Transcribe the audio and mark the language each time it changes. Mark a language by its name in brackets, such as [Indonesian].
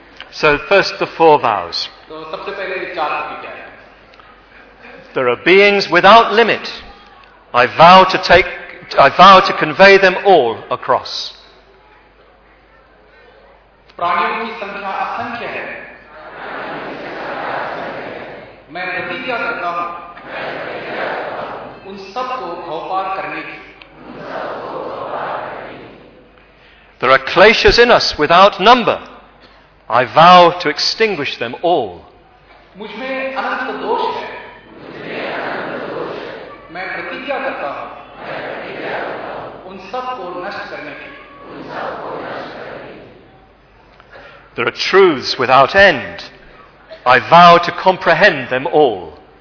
[English] So first the four vows. There are beings without limit. I vow to convey them all across. [Hindi] प्राणियों की संख्या असंख्य है मैं प्रतिज्ञा करता हूं उन सबको भवपार करने की [English] There are kleshas in us without number I vow to extinguish them all [Hindi] मुझमें अनंत दोष है मैं प्रतिज्ञा करता हूं उन सबको नष्ट करने की [English] There are truths without end. I vow to comprehend them all.